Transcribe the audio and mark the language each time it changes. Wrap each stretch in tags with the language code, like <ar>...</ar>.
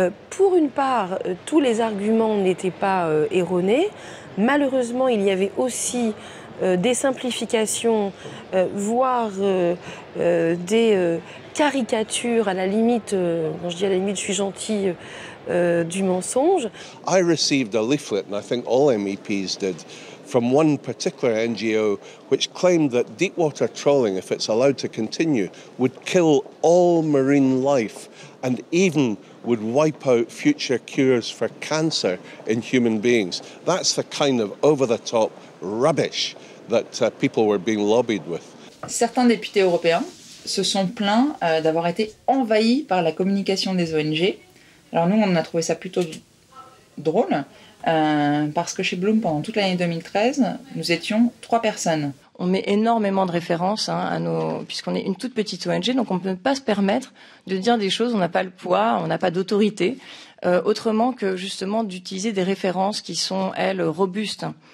<fr>Pour une part, tous les arguments n'étaient pas erronés. Malheureusement, il y avait aussi des simplifications, voire des caricatures, à la limite, quand je dis à la limite, je suis gentille, du mensonge.</fr> <en>I received a leaflet, and I think all MEPs did, from one particular NGO which claimed that deep water trawling, if it's allowed to continue, would kill all marine life and even would wipe out future cures for cancer in human beings. That's the kind of over-the-top rubbish that people were being lobbied with.</en> <fr>Certains députés européens se sont plaints d'avoir été envahis par la communication des ONG. Alors nous, on a trouvé ça plutôt drôle. Parce que chez Bloom, pendant toute l'année 2013, nous étions 3 personnes. On met énormément de références, hein, à nos... puisqu'on est une toute petite ONG, donc on ne peut pas se permettre de dire des choses, on n'a pas le poids, on n'a pas d'autorité, autrement que justement d'utiliser des références qui sont, elles, robustes.</fr>